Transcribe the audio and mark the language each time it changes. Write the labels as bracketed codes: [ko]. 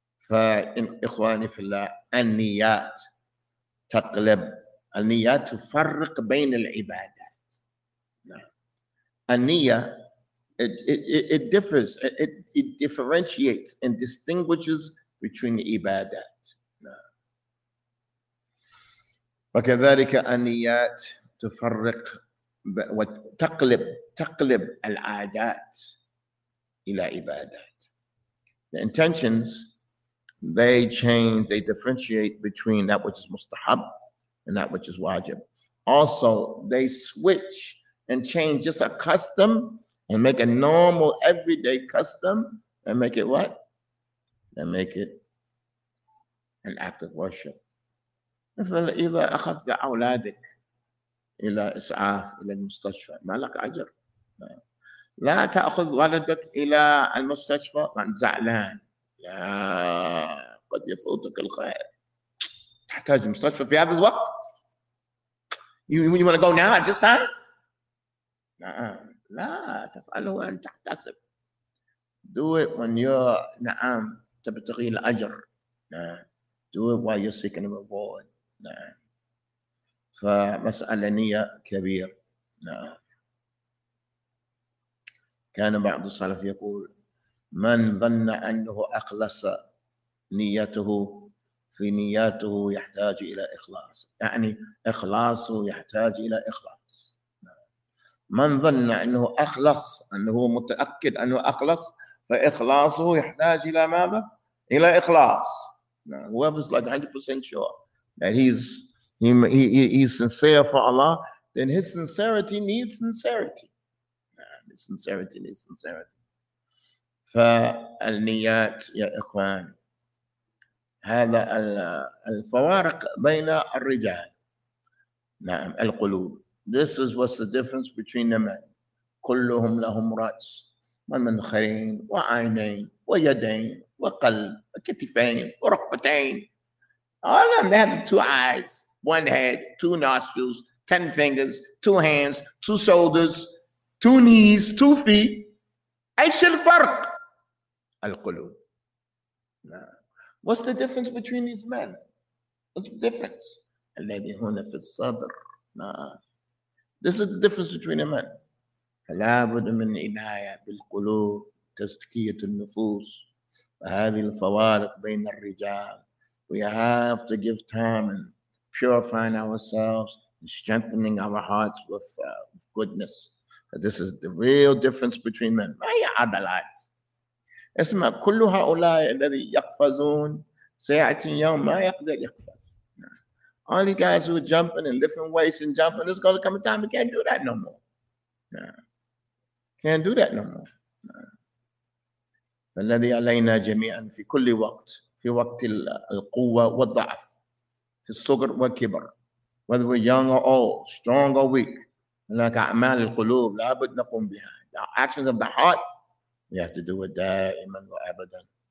[ar] فإن إخواني في الله النيات تقلب. النيات تفرق بين العبادة. [en] النية, it differs, it differentiates and distinguishes between the ibadat. [ar] وكذلك النيات تفرق وتقلب تقلب العادات إلى عبادات. [en] The intentions, they change, they differentiate between that which is mustahab and that which is wajib. Also, they switch and change just a custom and make a normal everyday custom and make it what? And make it الأكت الوشر. [ar] مثل إذا أخذت أولادك إلى إسعاف إلى المستشفى ما لك أجر، لا تأخذ ولدك إلى المستشفى وأنت زعلان، لا قد يفوتك الخير، تحتاج المستشفى في هذا الوقت. [en] You wanna go now at this time؟ نعم. [ar] لا تفعله وأنت تحتسب. [en] Do it when you're [ar] نعم تبتغي الأجر. [en] نعم. Do it while you're seeking a reward. نعم. [ar] فمسألة نية كبير. نعم. كان بعض السلف يقول من ظن أنه أخلص نيته في نياته يحتاج إلى إخلاص، يعني إخلاصه يحتاج إلى إخلاص. من ظن أنه أخلص، أنه متأكد أنه أخلص، فإخلاصه يحتاج إلى ماذا؟ إلى إخلاص. [en] Whoever's like 100% sure that he's sincere for Allah, then his sincerity needs sincerity. Sincerity needs sincerity. [ar] فالنيات يا إخوان، هذا الفوارق بين الرجال. نعم القلوب. [en] This is what's the difference between the men. [ar] كلهم لهم رأس ومنخرين وعينين ويدين وقلب وكتفين وركبتين. [en] All of them, they have two eyes, one head, two nostrils, 10 fingers, two hands, two shoulders, two knees, two feet. [ar] أيش الفرق؟ القلوب. نعم. [en] What's the difference between these men? What's the difference? [ar] الذي هنا في الصدر. [en] This is the difference between a man. [ar] فلا بد من عناية بالقلوب، تزكية النفوس، وهذه الفوارق بين الرجال. [en] We have to give time and purifying ourselves and strengthening our hearts with goodness. But this is the real difference between men. [ar] ما هي عبلات؟ اسمع، كل هؤلاء الذي يقفزون سيأتي يوم ما يقدر يقفز. [en] All the guys who are jumping in different ways and jumping, there's going to come a time we can't do that no more. Can't do that no more. [ar] فالذي علينا جميعا في كل وقت، في وقت القوة والضعف، في الصغر والكبر، [en] whether we're young or old, strong or weak, [ar] هناك أعمال القلوب لابد نقوم بها. [en] Actions of the heart, we have to do it [ar] دائما وابدا.